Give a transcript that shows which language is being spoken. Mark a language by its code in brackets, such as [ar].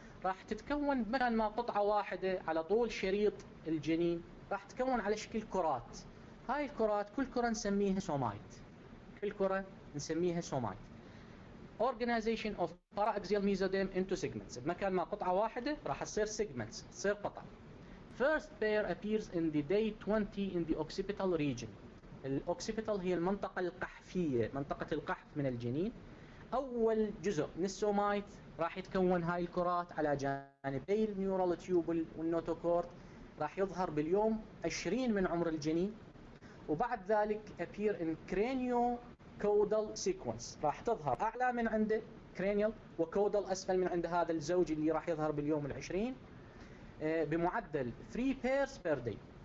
[ar] راح تتكون مكان ما قطعه واحده على طول شريط الجنين، راح تتكون على شكل كرات. هاي الكرات كل كره نسميها سومايت، كل كره نسميها سومايت. اورجنايزيشن اوف فارا اكزيال ميزودين انتو سيجمنتس، مكان ما قطعه واحده راح تصير سيجمنتس، تصير قطع. [en] First pair appears in the day 20 in the occipital region. [ar] الأوكسيبيتال هي المنطقة القحفية، منطقة القحف من الجنين. أول جزء من السومايت راح يتكون هاي الكرات على جانبي النيورال تيوب والنوتوكورد، راح يظهر باليوم 20 من عمر الجنين. وبعد ذلك [en] appear in cranio caudal sequence، [ar] راح تظهر أعلى من عند cranial وcaudal أسفل من عند هذا الزوج اللي راح يظهر باليوم 20 بمعدل [en] 3 pairs per day.